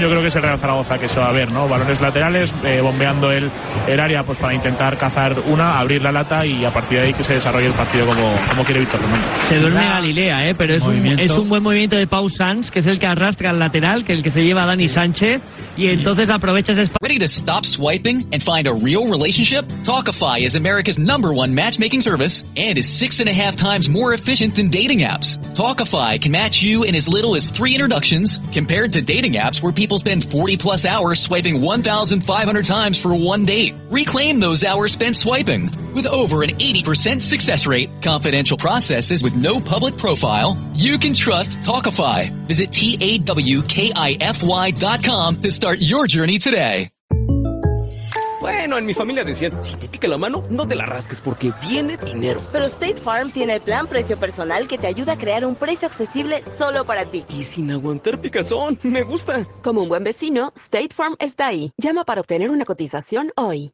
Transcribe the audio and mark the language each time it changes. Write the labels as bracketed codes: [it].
[es] Yo creo que es el Real Zaragoza que se va a ver, ¿no? Balones laterales, bombeando el área pues para intentar cazar una, abrir la lata y a partir de ahí que se desarrolle el partido como quiere Víctor Román. Se duerme Galilea, pero es un buen movimiento de Pau Sanz, que es el que arrastra al lateral, que el que se lleva a Dani Sánchez, y entonces aprovecha ese espacio. [en] Ready to stop swiping and find a real relationship? Talkify is America's number one matchmaking service and is 6.5 times more efficient than dating apps. Talkify can match you in as little as 3 introductions compared to dating apps where people spend 40 plus hours swiping 1,500 times for one date. Reclaim those hours spent swiping. With over an 80% success rate, confidential processes with no public profile, you can trust Talkify. Visit TAWKIFY.com to start your journey today. [es] Bueno, en mi familia decían, si te pica la mano, no te la rasques porque viene dinero. Pero State Farm tiene el plan precio personal que te ayuda a crear un precio accesible solo para ti. Y sin aguantar picazón, me gusta. Como un buen vecino, State Farm está ahí. Llama para obtener una cotización hoy.